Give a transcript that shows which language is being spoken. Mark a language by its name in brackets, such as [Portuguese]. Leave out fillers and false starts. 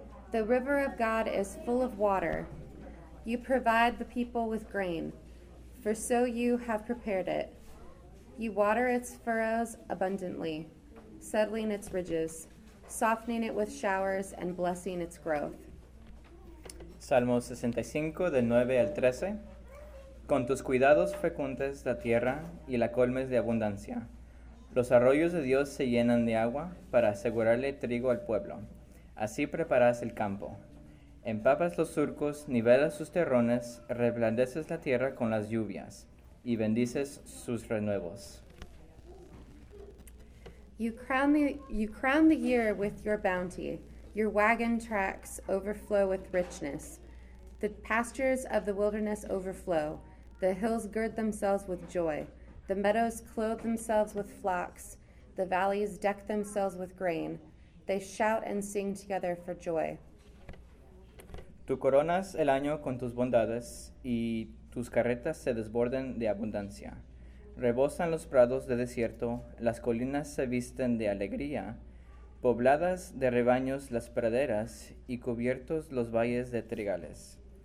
[English] The river of God is full of water. You provide the people with grain, for so you have prepared it. You water its furrows abundantly, settling its ridges, softening it with showers and blessing its growth. [Spanish] Salmo 65, del 9 al 13. Con tus cuidados fecundes la tierra y la colmes de abundancia. Los arroyos de Dios se llenan de agua para asegurarle trigo al pueblo. Así preparas el campo. Empapas los surcos, nivelas sus terrones, reblandeces la tierra con las lluvias y bendices sus renuevos. [English] You crown the year with your bounty. Your wagon tracks overflow with richness. The pastures of the wilderness overflow. The hills gird themselves with joy. The meadows clothe themselves with flocks. The valleys deck themselves with grain. They shout and sing together for joy. [Spanish] Tú coronas el año con tus bondades, y tus carretas se desbordan de abundancia. Rebosan los prados de desierto, las colinas se visten de alegría. Pobladas de rebaños las praderas, y cubiertos los valles de trigales.